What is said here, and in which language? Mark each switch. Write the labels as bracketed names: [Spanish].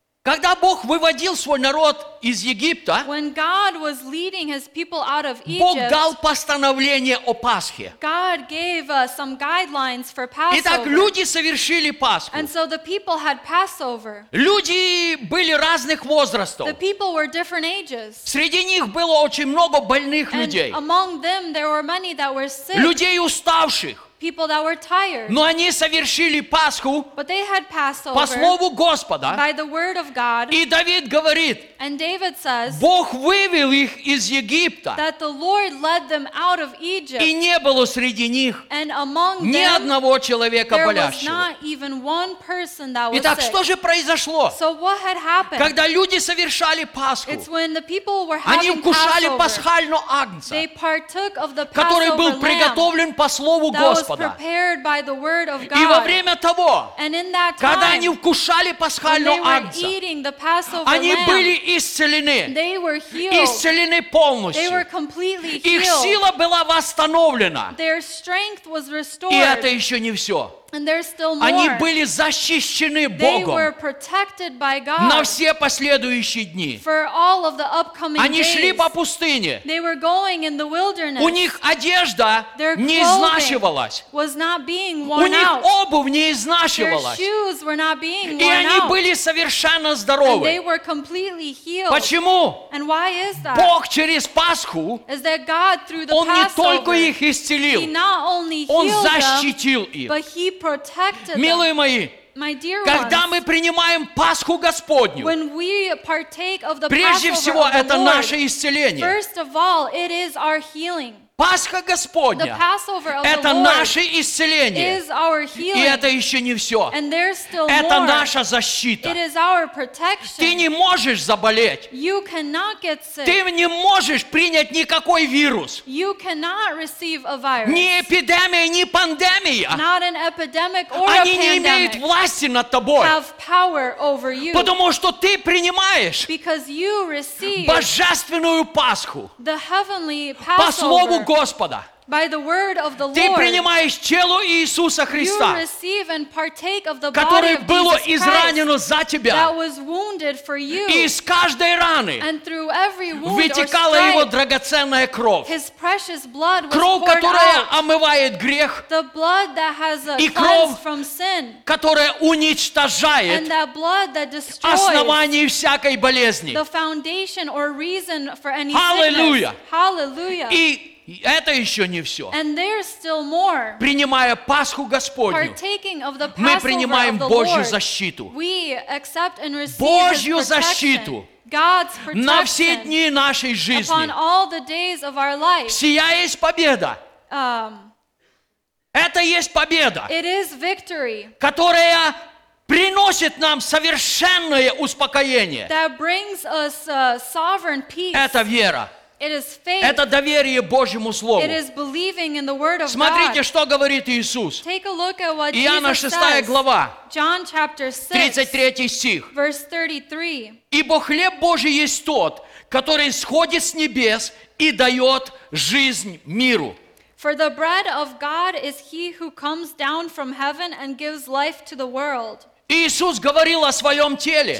[Russian] Когда Бог выводил свой народ из Египта, [English] when God was leading his people out of Egypt, [Russian] Бог дал постановление о Пасхе. [English] God gave some guidelines for Passover. [Russian] Итак, люди совершили Пасху. [English] And so the people had Passover. [Russian] Люди были разных возрастов. [English] The people were different ages. [Russian] Среди них было очень много больных [English] and [Russian] людей. [English] Among them there were many that were sick. [Russian] Людей уставших. [English] People that were tired. [Russian] Но они совершили Пасху [English] But they had passed over [Russian] по слову Господа. [English] By the word of God. [Russian] И Давид говорит, [English] And David says, [Russian] Бог вывел их из Египта. [English] That the Lord led them out of Egypt. [Russian] И не было среди них [English] And among [Russian] ни [English] them, [Russian] одного человека [English] there [Russian] болящего. [English] Was not even one person that was [Russian] Итак, [English] sick. [Russian] Что же произошло? [English] So what had happened? [Russian] Когда люди совершали Пасху, [English] It's when the people were having [Russian] они вкушали [English] Passover. [Russian] Пасхального Агнца, [English] they partook of the Passover [Russian] который был приготовлен [English] lamb [Russian] по слову Господа. [English] Was prepared by the word of God. [Russian] И во время того, [English] time, [Russian] когда они вкушали пасхального [English] Агнца, eating the Passover [Russian] они [English] lamb, [Russian] были исцелены. [English] They were healed. [Russian] Исцелены полностью. [English] They were completely healed. [Russian] Их сила была восстановлена. [English] Their strength was restored. [Russian] И это еще не все. [English] And there's still more. [Russian] Они были защищены Богом [English] They were protected by God [Russian] на все последующие дни. [English] For all of the upcoming [Russian] Они [English] days. [Russian] Шли по пустыне. [English] They were going in the wilderness. [Russian] У них одежда [English] Their clothing [Russian] не изнашивалась. [English] Was not being worn [Russian] У них [English] out. [Russian] Обувь не изнашивалась. [English] Their shoes were not being worn [Russian] И они [English] out. [Russian] Были совершенно здоровы. [English] And they were completely healed. [Russian] Почему? [English] And why is that? [Russian] Бог через Пасху [English] is that God, through the [Russian] Он [English] Passover, [Russian] не только их исцелил, [English] He not only healed [Russian] Он защитил [English] them, [Russian] их. [English] But He protected [Russian] Милые мои, [English] them. My dear ones, [Russian] когда мы принимаем Пасху Господню, [English] when we partake of the [Russian] прежде [English] Passover [Russian] всего, [English] of the [Russian] это [English] Lord, [Russian] наше исцеление. [English] First of all, it is our healing. [Russian] Пасха Господня, [English] the Passover of [Russian] это [English] the Lord [Russian] наше исцеление. [English] Is our healing. [Russian] И это еще не все. [English] And there's still [Russian] это [English] more. [Russian] Наша защита. [English] It is our protection. [Russian] Ты не можешь заболеть. [English] You cannot get sick. [Russian] Ты не можешь принять никакой вирус. [English] You cannot receive a virus. [Russian] Ни эпидемия, ни пандемия. [English] Not an epidemic or [Russian] Они [English] a pandemic [Russian] не имеют власти над тобой. [English] Have power over you. [Russian] Потому что ты принимаешь [English] Because you receive [Russian] божественную Пасху [English] the heavenly Passover. [Russian] По слову Господа. [English] By the word of the Lord, [Russian] ты принимаешь тело Иисуса Христа, [English] you receive and partake of the body [Russian] которое [English] of [Russian] было [English] Jesus Christ, [Russian] изранено за тебя. [English] That was wounded for you, [Russian] и из каждой раны [English] and through every wound [Russian] вытекала [English] stripe, [Russian] его драгоценная кровь. [English] His precious blood was [Russian] кровь, [English] poured [Russian] которая [English] out, [Russian] омывает грех, [English] the blood that has a [Russian] и кровь, [English] from sin, [Russian] которая уничтожает [English] and that blood that destroys [Russian] основание всякой болезни. [English] The foundation or reason for any Hallelujah. Sickness. Hallelujah. [Russian] И это еще не все. [English] And there's still more. [Russian] Принимая Пасху Господню, [English] partaking of the Passover [Russian] мы принимаем [English] of the [Russian] Божью [English] Lord, [Russian] защиту. [English] We accept and receive [Russian] Божью [English] protection, [Russian] защиту [English] God's protection [Russian] на все дни нашей жизни. [English] Upon all the days of our life. [Russian] Сия есть победа. Это есть победа, [English] it is victory, [Russian] которая приносит нам совершенное успокоение. [English] That brings us a sovereign peace. [Russian] Это вера. [English] It is faith. [Russian] Это доверие Божьему Слову. [English] It is believing in the word of [Russian] Смотрите, [English] God. [Russian] Что говорит Иисус. [English] Take a look at what [Russian] Иоанна 6 глава, [English] John chapter 6, [Russian] 33 стих. [English] Verse 33. [Russian] Ибо хлеб Божий есть тот, который сходит с небес и дает жизнь миру. [English] For the bread of God is he who comes down from heaven and gives life to the world. [Russian] Иисус говорил о своем теле.